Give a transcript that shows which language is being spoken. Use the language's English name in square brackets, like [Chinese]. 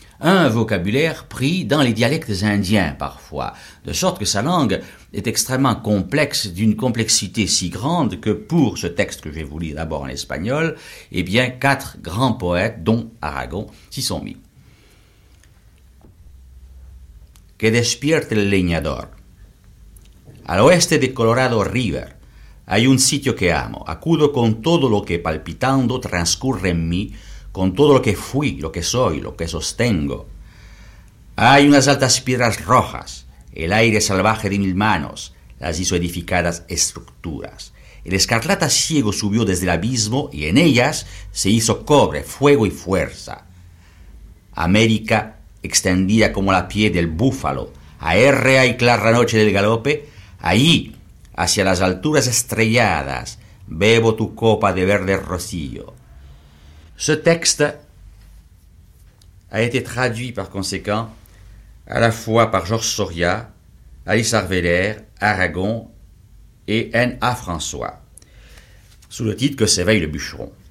[French] un vocabulaire pris dans les dialectes indiens parfois, de sorte que sa langue est extrêmement complexe, d'une complexité si grande que pour ce texte que je vais vous lire d'abord en espagnol, eh bien quatre grands poètes, dont Aragon, s'y sont mis. [Spanish] Que despierte el leñador. Al oeste de Colorado River hay un sitio que amo. Acudo con todo lo que palpitando transcurre en mí, con todo lo que fui, lo que soy, lo que sostengo. Hay unas altas piedras rojas, el aire salvaje de mil manos, las hizo edificadas estructuras. El escarlata ciego subió desde el abismo y en ellas se hizo cobre, fuego y fuerza. América extendida como la piel del búfalo, aérrea y clara noche del galope, allí, hacia las alturas estrelladas, bebo tu copa de verde rocío. [French] Ce texte a été traduit par conséquent à la fois par Georges Soria, Alice Arveler, Aragon et N.A. François, sous le titre Que s'éveille le bûcheron.